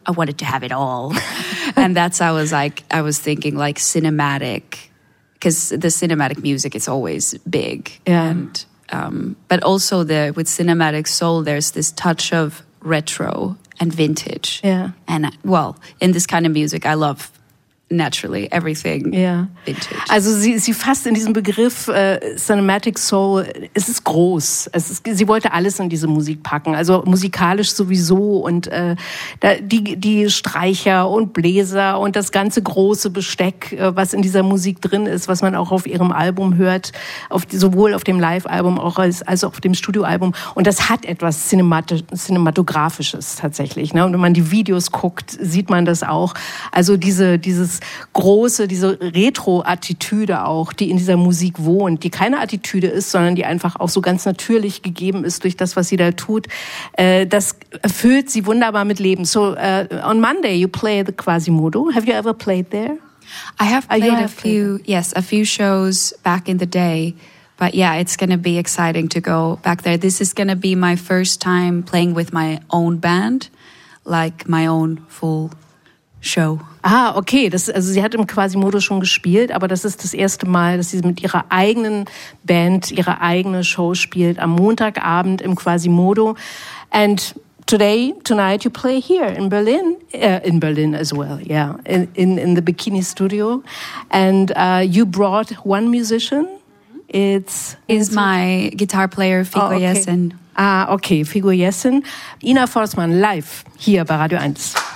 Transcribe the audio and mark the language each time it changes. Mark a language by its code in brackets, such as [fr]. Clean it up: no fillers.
[en] I wanted to have it all. And that's how I was thinking like cinematic, because the cinematic music is always big. Yeah. And but also with cinematic soul, there's this touch of retro and vintage. Yeah. And well, in this kind of music, I love naturally everything. Yeah. Vintage. [de] Also sie fasst in diesem Begriff cinematic soul, es ist groß. Es ist, sie wollte alles in diese Musik packen. Also musikalisch sowieso und die Streicher und Bläser und das ganze große Besteck, was in dieser Musik drin ist, was man auch auf ihrem Album hört, sowohl auf dem Live-Album als auch auf dem Studio-Album. Und das hat etwas Cinematografisches tatsächlich. Ne? Und wenn man die Videos guckt, sieht man das auch. Also diese Retro-Attitüde auch, die in dieser Musik wohnt, die keine Attitüde ist, sondern die einfach auch so ganz natürlich gegeben ist durch das, was sie da tut, das erfüllt sie wunderbar mit Leben. [en] So, on Monday you play the Quasimodo. Have you ever played there? I have played a few shows back in the day, But yeah, it's going to be exciting to go back there. This is going to be my first time playing with my own band, like my own full show. Ah, okay. [de] Das, also sie hat im Quasimodo schon gespielt, aber das ist das erste Mal, dass sie mit ihrer eigenen Band ihre eigene Show spielt am Montagabend im Quasimodo. [en] And today, tonight, you play here in Berlin, in the Bikini Studio. And you brought one musician. It's my guitar player, Figo Jessen. [de] Ah, okay, Figo Jessen. Ina Forstmann, live hier bei Radio 1.